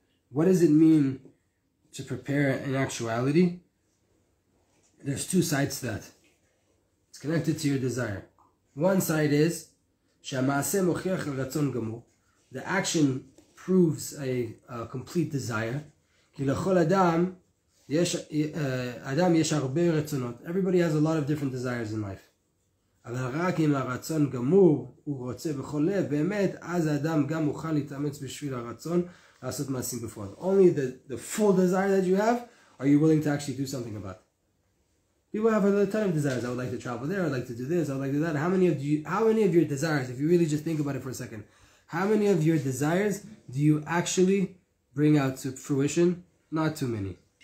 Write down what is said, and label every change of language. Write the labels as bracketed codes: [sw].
[en] What does it mean to prepare in actuality? There's two sides to that. It's connected to your desire. One side is [he] שהמעשה מוכיח רצון גמור. [en] The action proves a complete desire. [he] כי לכל אדם יש אדם יש הרבה רצונות. [en] Everybody has a lot of different desires in life. [he] אבל רק אם הרצון גמור הוא רוצה בכל לב, באמת, אז האדם גם מוכן להתאמץ בשביל הרצון לעשות מעשים בפועל. [en] Only the full desire that you have, are you willing to actually do something about. People have a ton of desires. I would like to travel there. I'd like to do this. I'd like to do that. How many of your desires, if you really just think about it for a second, how many of your desires do you actually bring out to fruition? Not too many.